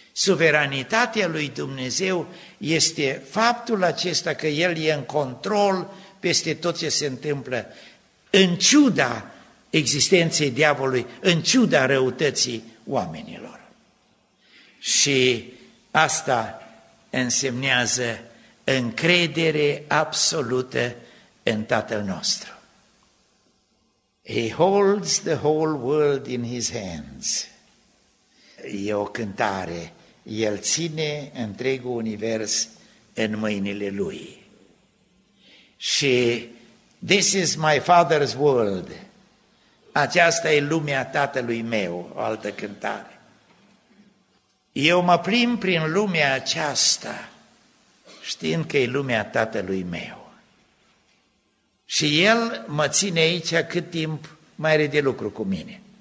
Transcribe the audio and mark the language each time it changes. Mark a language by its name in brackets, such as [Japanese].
[Romanian] Suveranitatea lui Dumnezeu este faptul acesta că El e în control peste tot ce se întâmplă, în ciuda existenței diavolului, în ciuda răutății oamenilor. Și asta însemnează încredere absolută în Tatăl nostru. [English] He holds the whole world in His hands. [Romanian] E o cântare. El ține întregul univers în mâinile Lui. Și [English] this is my father's world. [Romanian] Aceasta e lumea tatălui meu, o altă cântare. Eu mă plimb prin lumea aceasta știind că e lumea tatălui meu. Și El mă ține aici cât timp mai are de lucru cu mine.